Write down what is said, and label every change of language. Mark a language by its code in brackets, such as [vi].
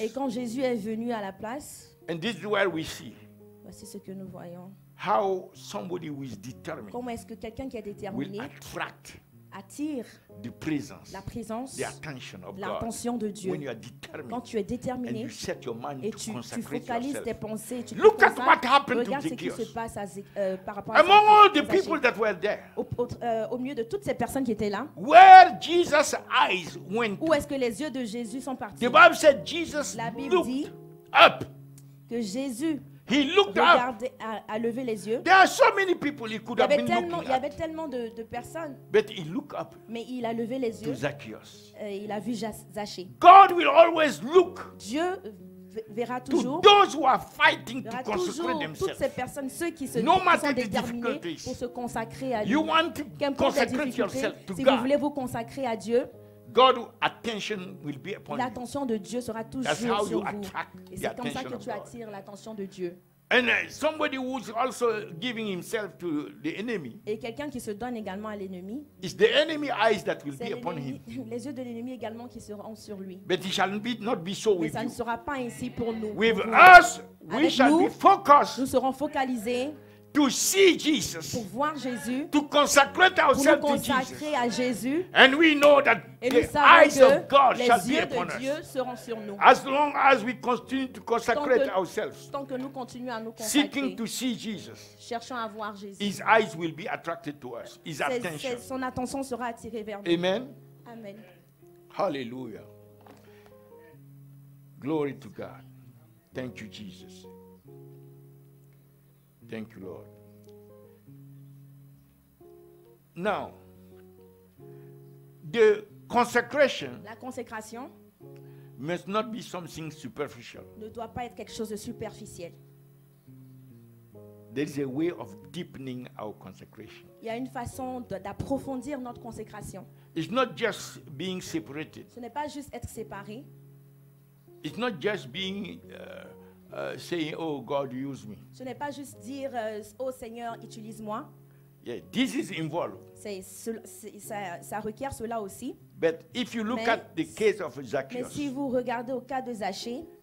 [fr] Et quand Jésus est venu à la place. [en] And this is where we see. [fr] Voici ce que nous voyons. [en] How somebody who is determined [fr] comment est-ce que quelqu'un qui est déterminé attire [en] the presence, [fr] la présence, [en] the attention of [fr] l'attention [en] God [fr] de Dieu [en] when you are determined [fr] quand tu es déterminé [en] and you set your mind [fr] et [en] to [fr] tu focalises [en] yourself. [fr] Tes pensées. Tu [en] look [fr] consacres, [en] at what happened [fr] regarde [en] to [fr] ce qui se passe à, par rapport [en] among [fr] à Zacchaeus. [en] All the people that were there, [fr] au milieu de toutes ces personnes qui étaient là, [en] where Jesus' eyes went [fr] où est-ce que les yeux de Jésus sont partis? [en] The Bible said Jesus [fr] la Bible [en] looked [fr] dit [en] up. [fr] Que Jésus [en] he looked [fr] regardé, [en] up. [fr] A levé les yeux. [en] There are so many people he could [fr] il y avait [en] have been [fr] tellement, [en] looking [fr] il y avait tellement de personnes. [en] But he looked up. [fr] Mais il a levé les yeux. [en] To Zacchaeus. [fr] Il a vu Zachée. [en] God will always look. [fr] Dieu verra toujours. [en] To those who are fighting to consecrate [fr] toujours [en] themselves. [fr] Toutes ces personnes, ceux qui se [en] no [fr] qui sont déterminés pour se consacrer à Dieu. [en] You want to [fr] qu'importe [en] consecrate [fr] la difficulté, [en] yourself to [fr] si [en] God. [fr] Vous voulez vous consacrer à Dieu. [en] God, attention will be upon you. [fr] L'attention de Dieu sera toujours [en] that's how [fr] sur [en] you [fr] vous. [en] Attract [fr] et c'est comme ça que tu attires l'attention de Dieu. [en] And somebody who's also giving himself to the enemy. [fr] Et quelqu'un qui se donne également à l'ennemi. [en] It's the enemy eyes that will be upon him. [fr] Les yeux de l'ennemi également qui seront sur lui. [en] But it shall be, not be so [fr] mais [en] with [fr] ça [en] you. [fr] Ne sera pas ainsi pour nous. [en] With [fr] pour [en] us, we shall [fr] nous, [en] be focused. [fr] Nous serons focalisés. [en] To see Jesus, [fr] pour voir Jésus, [en] to consecrate ourselves [fr] pour nous consacrer [en] to Jesus. [fr] À Jésus, [en] and we know that the eyes of God shall be upon [fr] Dieu [en] us. [fr] Dieu seront sur nous. [en] As long as we continue to consecrate [fr] tant que, [en] ourselves, [fr] tant que nous continuons à nous consacrer, [en] seeking to see Jesus, [fr] cherchant à voir Jésus, [en] His eyes will be attracted to us. His attention. [fr] Son attention sera attirée vers nous. Amen. Amen. [en] Hallelujah. Glory to God. Thank you, Jesus. Thank you, Lord. Now, the consecration, [fr] la consécration [en] must not be something superficial. [fr] Ne doit pas être quelque chose de superficiel. [en] There is a way of deepening our consecration. [fr] Il y a une façon d'approfondir notre consécration. [en] It's not just being separated. [fr] Ce n'est pas juste être séparé. [en] It's not just being saying, "Oh God, use me." [fr] Ce n'est pas juste dire, "Oh Seigneur, utilise-moi." [en] Yeah, this is involved. [fr] Ça requiert cela aussi. [en] But if you look at the case of Zacchaeus, [fr] mais si vous regardez au cas de Zachée,